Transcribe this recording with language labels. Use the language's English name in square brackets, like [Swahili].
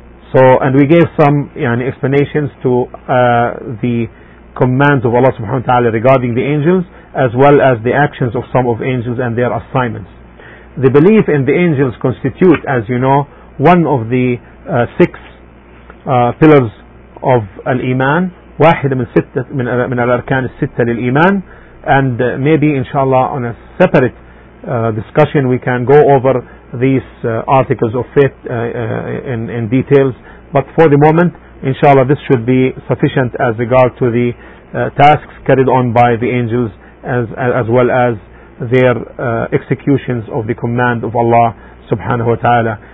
[English] So, and we gave some explanations to the commands of Allah subhanahu wa ta'ala regarding the angels, as well as the actions of some of angels and their assignments. The belief in the angels constitute, as you know, one of the 6 pillars of al-Iman. [Arabic] واحد من ستة من الأركان الستة للإيمان. [English] And maybe inshallah on a separate discussion we can go over these articles of faith in details, but for the moment inshallah this should be sufficient as regard to the tasks carried on by the angels, as well as their executions of the command of Allah subhanahu wa ta'ala.